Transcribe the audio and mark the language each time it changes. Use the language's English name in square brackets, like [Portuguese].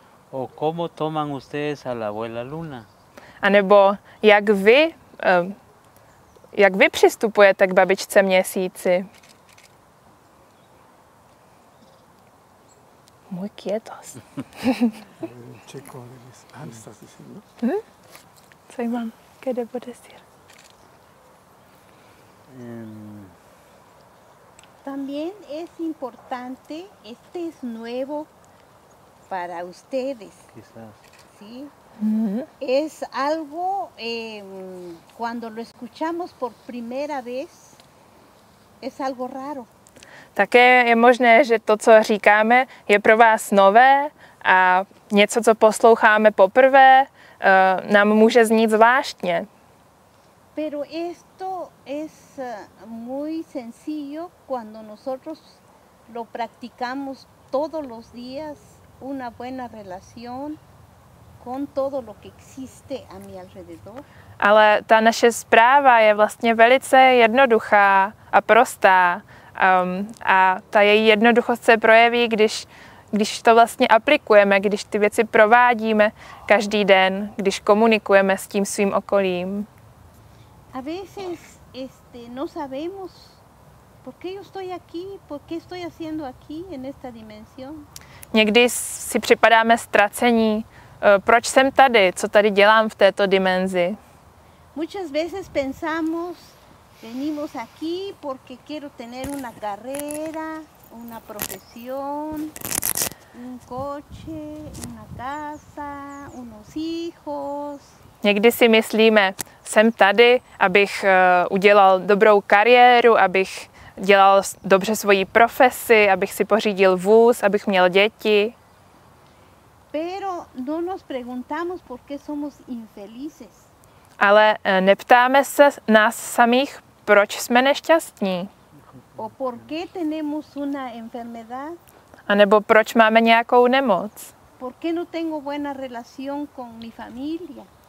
[Spanish] O cómo toman ustedes a la abuela Luna? [Czech] A nebo jak vy přistupujete k babičce měsíci? [Spanish] Muy quietos. Checo, ¿estás diciendo? Soy mam, ¿qué debo decir? También es importante, este es nuevo para ustedes. Quizás. ¿Sí? Uh-huh. Es algo, cuando lo escuchamos por primera vez, es algo raro. [Czech] Také je možné, že to, co říkáme, je pro vás nové a něco, co posloucháme poprvé, nám může znít zvláštně. [Spanish] Pero esto es muy sencillo cuando nosotros lo practicamos todos los días, una buena relación con todo lo que existe a mi alrededor. [Czech] Ale ta naše zpráva je vlastně velice jednoduchá a prostá. A ta její jednoduchost se projeví, když to vlastně aplikujeme, když ty věci provádíme každý den, když komunikujeme s tím svým okolím. [Spanish] A veces no sabemos por qué yo estoy aquí, por qué estoy haciendo aquí en esta dimensión. [Czech] Někdy si připadáme ztracení, proč jsem tady, co tady dělám v této dimenzi. [Spanish] Muchas veces pensamos venimos aquí porque quiero tener una carrera, una profesión, un coche, una casa, unos hijos. [Czech] Někdy si myslíme, jsem tady, abych udělal dobrou kariéru, abych dělal dobře svoji profesi, abych si pořídil vůz, abych měl děti. [Spanish] Pero no nos preguntamos por qué somos infelices. [Czech] Ale neptáme se nás samých, proč jsme nešťastní. [Spanish] O por qué tenemos una enfermedad? [Czech] A nebo proč máme nějakou nemoc? [Spanish] Por qué no tengo buena relación con mi familia?